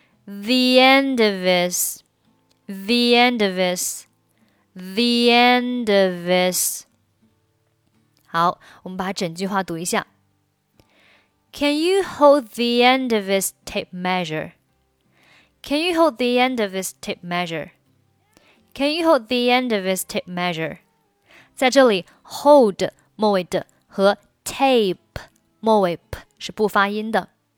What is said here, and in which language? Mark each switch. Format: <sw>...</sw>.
<en>The end of this, the end of this, the end of this.</en> <zh>好，我们把整句话读一下。</zh> <en>Can you hold the end of this tape measure? Can you hold the end of this tape measure? Can you hold the end of this tape measure?</en> <zh>在这里 ，hold 末尾的和 tape 末尾 p 是不发音的。</zh>